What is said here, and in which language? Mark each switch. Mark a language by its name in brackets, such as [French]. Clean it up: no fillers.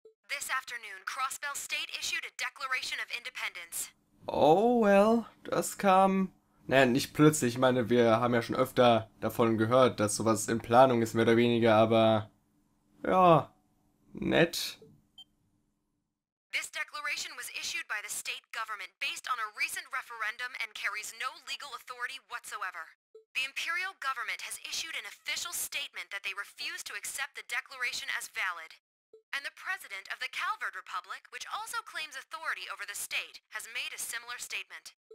[English] This afternoon, Crossbell State issued a declaration of independence. [German] Oh well, das kam. Naja, nicht plötzlich. Ich meine, wir haben ja schon öfter davon gehört, dass sowas in Planung ist, mehr oder weniger, aber ja, nett. [English] This declaration was issued by the state government based on a recent referendum and carries no legal authority whatsoever. The Imperial Government has issued an official statement that they refuse to accept the declaration as valid. And the President of the Calvard Republic, which also claims authority over the state, has made a similar statement.